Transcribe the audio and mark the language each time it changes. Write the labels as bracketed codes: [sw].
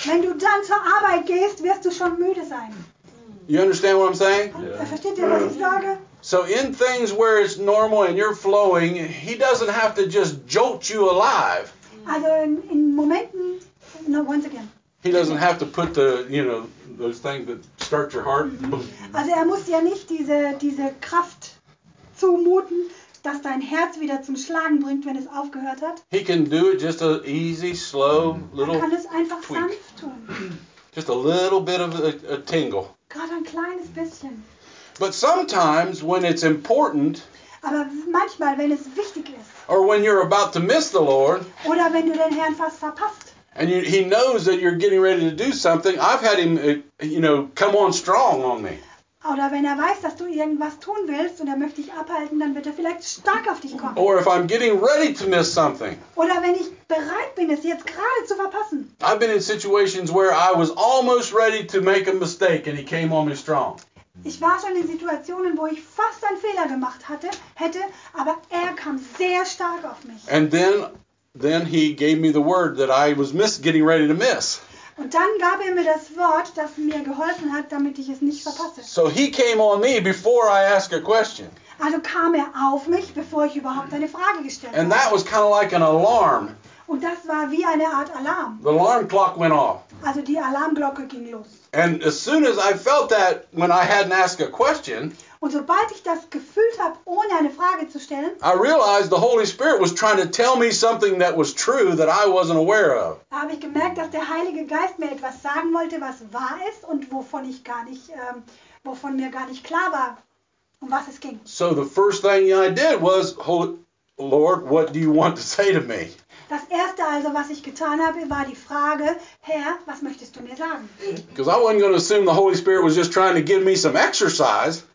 [de] Wenn du dann zur Arbeit gehst, wirst du schon müde sein. [en] You understand what I'm saying? [de] Yeah. Versteht ihr, was ich sage? [en] So in things where it's normal and you're flowing, he doesn't have to just jolt you alive. [de] Also in Momenten, [en] no, once again. He doesn't have to put the, you know, those things that start your heart. [de] Also er muss ja nicht diese Kraft zumuten, das dein Herz wieder zum Schlagen bringt, wenn es aufgehört hat. [en] He can do it just a easy, slow little tweak. [de] Er kann es einfach sanft tun. [en] Just a little bit of a tingle. [de] Gerade ein kleines bisschen. [en] But sometimes when it's important, [de] aber manchmal, wenn es wichtig ist, [en] or when you're about to miss the Lord, [de] oder wenn du den Herrn fast verpasst, [en] and you, he knows that you're getting ready to do something, I've had him, you know, come on strong on me. [de] Oder wenn er weiß, dass du irgendwas tun willst und er möchte dich abhalten, dann wird er vielleicht stark auf dich kommen. [en] Or if I'm getting ready to miss something. [de] Oder wenn ich bereit bin, es jetzt gerade zu verpassen. [en] I've been in situations where I was almost ready to make a mistake and he came on me strong. [de] Ich war schon in Situationen, wo ich fast einen Fehler gemacht hatte, hätte, aber er kam sehr stark auf mich. [en] And then he gave me the word that I was getting ready to miss. [de] Und dann gab er mir das Wort, das mir geholfen hat, damit ich es nicht verpasse. [en] So he came on me before I asked a question. [de] Also kam er auf mich, bevor ich überhaupt eine Frage gestellt habe. [en] And that was kind of like an alarm. [de] Und das war wie eine Art Alarm. [en] The alarm clock went off. [de] Also die Alarmglocke ging los. [en] And as soon as I felt that, when I hadn't asked a question, [de] und sobald ich das gefühlt habe, ohne eine Frage zu stellen, [en] I realized the Holy Spirit was trying to tell me something that was true that I wasn't aware of. [de] Da habe ich gemerkt, dass der Heilige Geist mir etwas sagen wollte, was wahr ist und wovon mir gar nicht klar war, um was es ging. [en] So the first thing I did was, Lord, what do you want to say to me? [de] Das erste also, was ich getan habe, war die Frage, Herr, was möchtest du mir sagen? [en] Because I wasn't going to assume the Holy Spirit was just trying to give me some exercise.